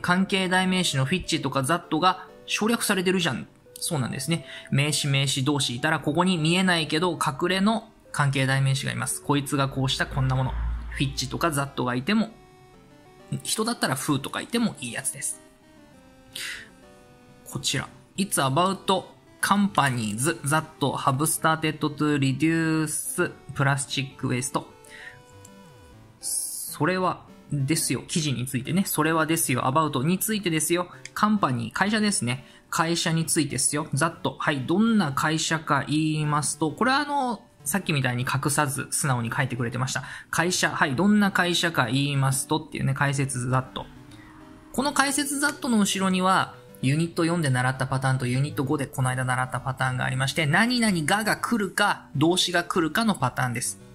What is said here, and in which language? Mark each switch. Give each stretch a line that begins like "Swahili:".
Japanese: 関係代名詞のフィッチとかザットが省略されてるじゃん。そうなんですね。名詞動詞いたらここに見えないけど隠れの関係代名詞がいます。こいつがこうしたこんなもの。フィッチとかザットがいても、人だったらフーとかいてもいいやつです。こちら。
English: It's about companies that have started to reduce plastic waste.
Japanese: それは、ですよ。記事についてね。それはですよ。 about についてですよ。カンパニー。会社ですね。会社についてですよ。ざっと。はい。どんな会社か言いますと、これはさっきみたいに隠さず素直に書いてくれてました。会社。はい。どんな会社か言いますとっていうね。解説ざっと。この解説ざっとの後ろには、ユニット4で習ったパターンとユニット5でこの間習ったパターンがありまして、何々がが来るか、動詞が来るかのパターンです。